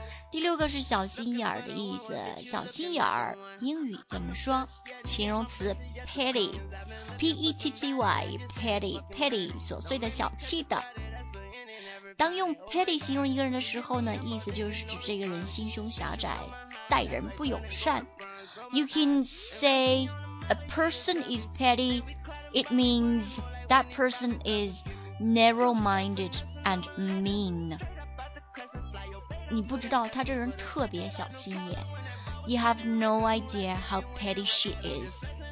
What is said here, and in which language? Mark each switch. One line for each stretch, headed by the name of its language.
Chinese: 第六个是小心眼儿的意思，小心眼儿英语怎么说？形容词 petty, P-E-T-T-Y, petty, petty, 琐碎的、小气的。当用 petty 形容一个人的时候呢，意思就是指这个人心胸狭窄，待人不友善。
English: You can say a person is petty, it means that person is narrow-minded and mean.
Chinese: 你不知道他这人特别小心眼。
English: You have no idea how petty she is.